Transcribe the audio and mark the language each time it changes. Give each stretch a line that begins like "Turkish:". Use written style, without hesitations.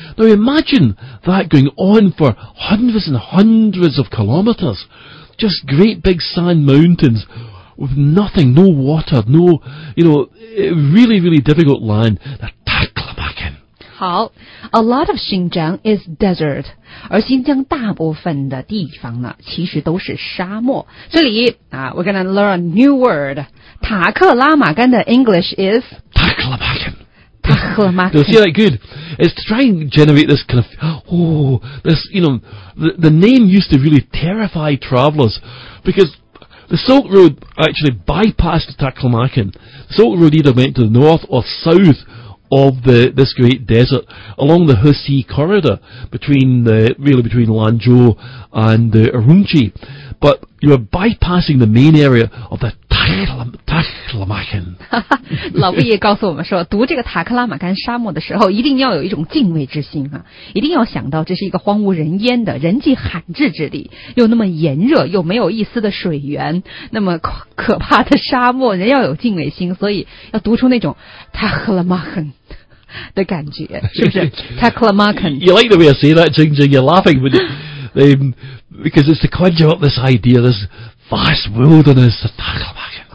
English: Now imagine that going on for hundreds and hundreds of kilometres, just great big sand mountains with nothing, no water, no, you know, really, really difficult land, the Taklamakan. 好 ,a lot of Xinjiang is desert.
Chinese: 而新疆大部分的地方呢其实都是沙漠。这里啊
English: ,we're gonna learn a new word. 塔克拉玛干的 English is?
Chinese: 塔克拉玛干。塔克拉玛干。
English: You see that good? It's to try and generate this kind of, oh, this, you know, the name used to really terrify travelers because the Silk Road actually bypassed the Taklamakan. Silk Road either went to the north or southof this great desert along the Hesi corridor between Lanzhou and Urumqi, but you are bypassing the main area of the Taklamakan.
Chinese: 老布也告诉我们说，读这个塔克拉玛干沙漠的时候，一定要有一种敬畏之心啊，一定要想到这是一个荒无人烟的人迹罕至之地，又那么炎热，又没有一丝的水源，那么可怕的沙漠，人要有敬畏心，所以要读出那种 Taklamakan的感觉，是不是 Taklamakan?
English: You like the way I say that, Jing Jing, you're laughing, but because it's to conjure up this idea, this vast wilderness, the Taklamakan.